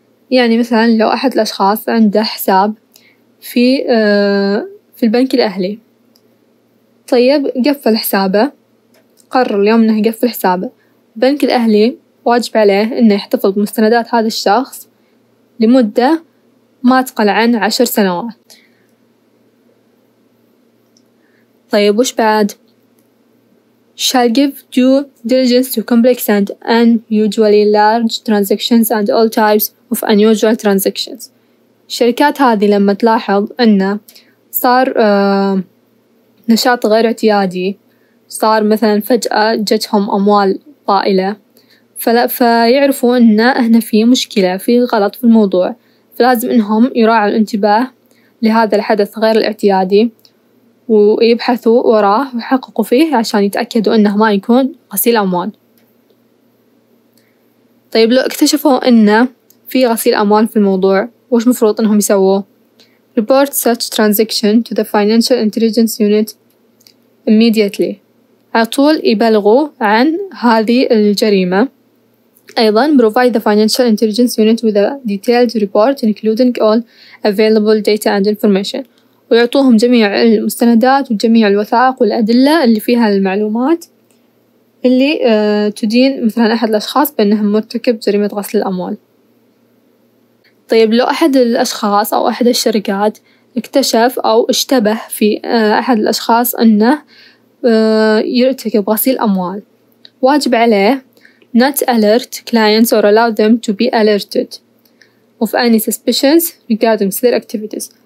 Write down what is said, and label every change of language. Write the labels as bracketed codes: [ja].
[ar] يعني مثلا لو احد الاشخاص عنده حساب في البنك الاهلي، طيب قفل حسابه، قرر اليوم انه يقفل حسابه، البنك الاهلي واجب عليه انه يحتفظ بمستندات هذا الشخص لمدة ما تقل عن 10 سنوات. طيب وش بعد؟ [en] shall give due diligence to complex and unusually large transactions and all types of unusual transactions. [ar] الشركات هذه لما تلاحظ انه صار نشاط غير اعتيادي، صار مثلا فجأة جتهم اموال طائلة، فيعرفوا ان هنا في مشكلة، في غلط في الموضوع، فلازم انهم يراعوا الانتباه لهذا الحدث غير الاعتيادي ويبحثوا وراه ويحققوا فيه عشان يتأكدوا انه ما يكون غسيل اموال. طيب لو اكتشفوا انه في غسيل اموال في الموضوع، وش مفروض انهم يسووا؟ [en] report such transaction to the financial intelligence unit immediately. [ar] عطول يبلغوا عن هذه الجريمة. أيضا [en] provide the financial intelligence unit with a detailed report including all available data and information. [ar] ويعطوهم جميع المستندات وجميع الوثائق والأدلة اللي فيها المعلومات اللي تدين مثلا أحد الأشخاص بأنه مرتكب جريمة غسل الأموال. طيب لو أحد الأشخاص أو أحد الشركات اكتشف أو اشتبه في أحد الأشخاص أنه يرتكب غسيل أموال، واجب عليه [en] not alert clients or allow them to be alerted of any suspicions regarding their activities.